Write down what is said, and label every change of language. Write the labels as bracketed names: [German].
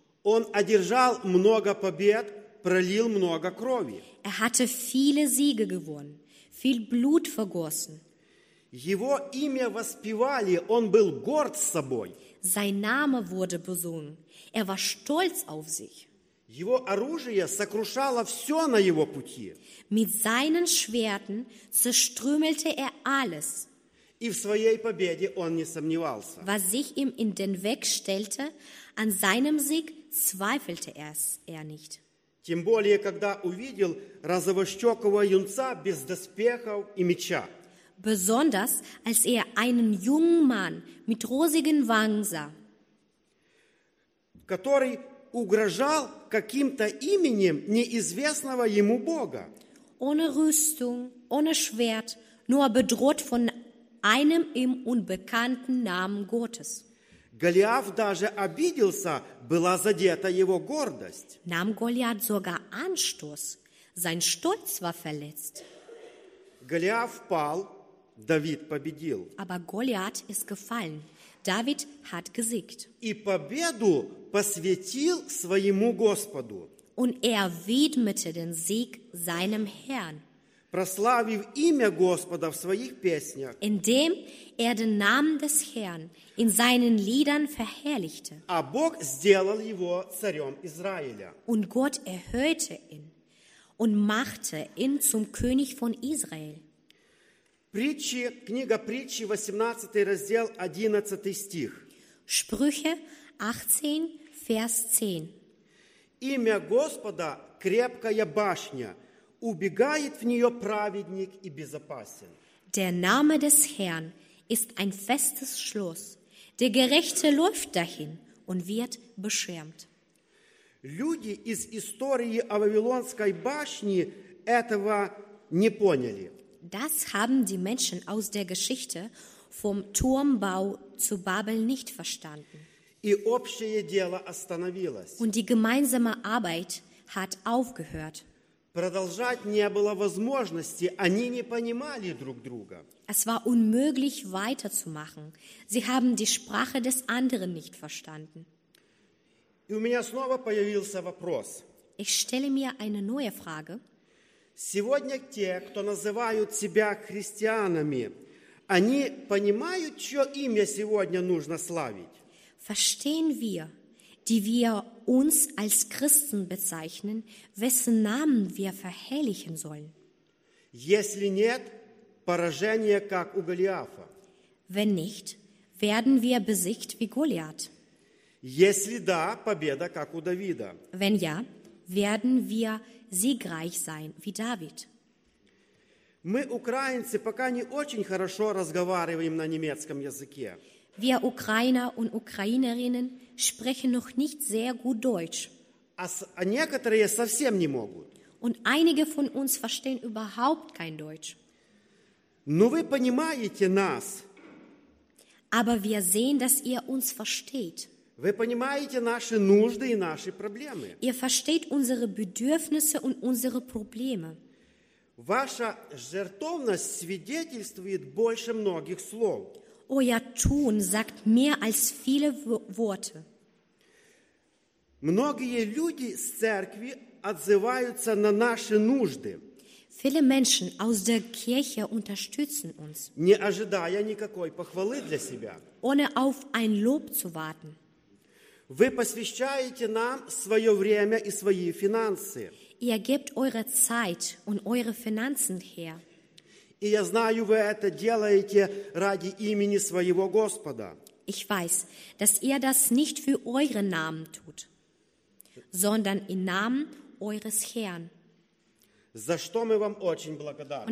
[Russian] Он одержал много побед, пролил много крови. [German] Er hatte viele Siege gewonnen, viel Blut vergossen. [Russian] Его имя воспевали, он был горд собой. [German] Sein Name wurde besungen, er war stolz auf sich. [Russian] Его оружие сокрушало все на его пути. [German] Mit seinen Schwertern zerstrümmelte er alles. [Russian] И в своей победе он не сомневался. [German] Was sich ihm in den Weg stellte, an seinem Sieg zweifelte er nicht. [Russian] Тем более, когда увидел розовощекого юнца без доспехов и меча. [German] Besonders, als er einen jungen Mann mit rosigen Wangen sah. [Russian] Который угрожал каким-то именем неизвестного ему Бога. [German] Ohne Rüstung, ohne Schwert, nur bedroht von einem im unbekannten Namen Gottes. [Russian] Голиаф даже обиделся, была задета его гордость. [German] Nahm Goliath sogar Anstoß, sein Stolz war verletzt. [Russian] Голиаф пал, Давид победил. [German] Aber Goliath ist gefallen, David hat gesiegt. [Russian] И победу посвятил своему Господу. [German] Und widmete den Sieg seinem Herrn. [Russian] Прославив имя Господа в своих песнях. [German] Indem den Namen des Herrn in seinen Liedern verherrlichte. [Russian] А Бог сделал его царем Израиля. [German] Und Gott erhöhte ihn und machte ihn zum König von Israel. [Russian] Притчи, книга Притчи, 18 раздел, 11 стих. [German] Sprüche 18, Vers 10. [Russian] Имя Господа – крепкая башня, убегает в нее праведник и безопасен. [German] Der Name des Herrn ist ein festes Schloss. Der Gerechte läuft dahin und wird beschirmt. [Russian] Люди из истории о Вавилонской башне этого не поняли. [German] Das haben die Menschen aus der Geschichte vom Turmbau zu Babel nicht verstanden. [Russian] И общее дело остановилось. [German] Und die gemeinsame Arbeit hat aufgehört. [Russian] Продолжать не было возможности, они не понимали друг друга. [German] Es war unmöglich weiterzumachen. Sie haben die Sprache des anderen nicht verstanden. [Russian] И у меня снова появился вопрос. [German] Ich stelle mir eine neue Frage. [Russian] Сегодня те, кто называют себя христианами, они понимают, чье имя сегодня нужно славить? [German] Verstehen wir, die wir uns als Christen bezeichnen, wessen Namen wir verherrlichen sollen? [Russian] Если нет, поражение, как у Голиафа. [German] Wenn nicht, werden wir besiegt wie Goliath. [Russian] Если да, победа, как у Давида. [German] Wenn ja, werden wir siegreich sein, wie David. [Russian] Мы, украинцы, пока не очень хорошо разговариваем на немецком языке. [German] Wir Ukrainer und Ukrainerinnen sprechen noch nicht sehr gut Deutsch. [Russian] А некоторые совсем не могут. [German] Und einige von uns verstehen überhaupt kein Deutsch. [Russian] Но вы понимаете нас. [German] Aber wir sehen, dass ihr uns versteht. [Russian] Вы понимаете наши нужды и наши проблемы. [German] Ihr versteht unsere Bedürfnisse und unsere Probleme. [Russian] Ваша жертовность свидетельствует больше многих слов. [German] Euer Tun sagt mehr als viele Worte. [Russian] Многие люди из церкви отзываются на наши нужды. [German] Viele Menschen aus der Kirche unterstützen uns. [Russian] Не ожидая никакой похвалы для себя. [German] Ohne auf ein Lob zu warten. [Russian] Вы посвящаете нам свое время и свои финансы. [German] Ihr gebt eure Zeit und eure Finanzen her. [Russian] И я знаю, вы это делаете ради имени своего Господа. [German] Ich weiß, dass ihr das nicht für euren Namen tut, sondern im Namen eures Herrn. [Russian] За что мы вам очень благодарны.